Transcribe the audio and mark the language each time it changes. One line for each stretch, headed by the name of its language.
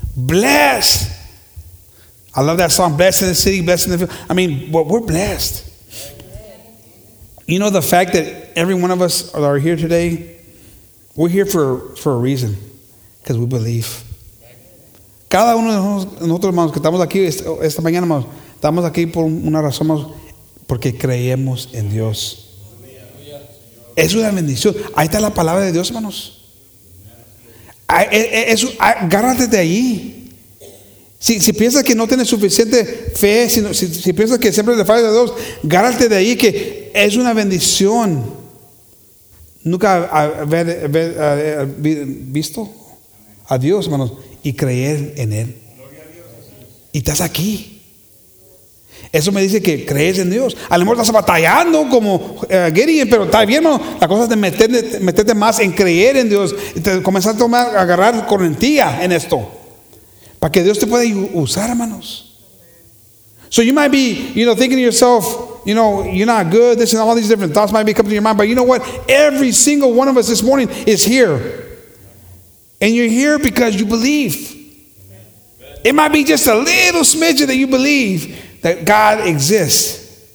English: I love that song, blessed in the city, blessed in the field. I mean, we're blessed. You know, the fact that every one of us are here today, we're here for a reason, because we believe.
Spanish: Cada uno de nosotros, hermanos, que estamos aquí esta mañana, hermanos, estamos aquí por una razón, hermanos, porque creemos en Dios. Es una bendición. Ahí está la palabra de Dios, hermanos. Agárrate de ahí. Si piensas que no tienes suficiente fe, si piensas que siempre le falla a Dios, agárrate de ahí, que es una bendición nunca haber visto a Dios, hermanos, y creer en Él. Y estás aquí. Eso me dice que crees en Dios. A lo mejor estás batallando como Gideon, pero está bien, hermano. La cosa es de meterte más en creer en Dios. Comenzar a tomar, a agarrar correntía en esto. Para que Dios te pueda usar, hermanos.
English: So you might be, you know, thinking to yourself, you know, you're not good. This and all these different thoughts might be coming to your mind. But you know what? Every single one of us this morning is here. And you're here because you believe. It might be just a little smidgen that you believe that God exists.